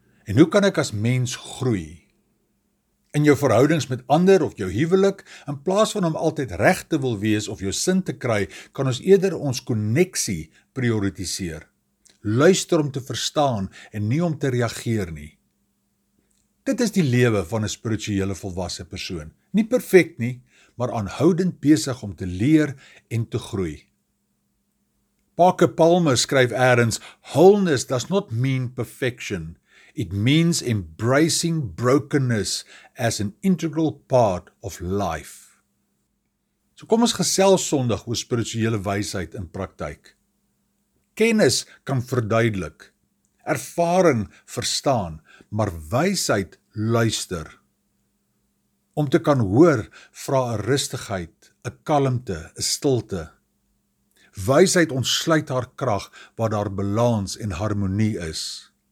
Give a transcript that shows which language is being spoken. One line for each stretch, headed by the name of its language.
Afrikaans: En hoe kan ek as mens groei? In jou verhoudings met ander of jou huwelik, in plaas van om altyd reg te wil wees of jou sin te kry, kan ons eerder ons koneksie prioritiseer. Luister om te verstaan en nie om te reageer nie. Dit is die lewe van 'n spirituele volwasse persoon. Nie perfek nie, maar aanhoudend besig om te leer en te groei. Parker Palmer skryf ergens,
English: "Wholeness does not mean perfection. It means embracing brokenness as an integral part of life."
Afrikaans: So kom ons gesels Sondag oor spirituele wysheid in praktyk. Kennis kan verduidelik, ervaring verstaan, maar wysheid luister. Om te kan hoor, vra 'n rustigheid, 'n kalmte, 'n stilte. Wysheid ontsluit haar krag waar daar balans en harmonie is.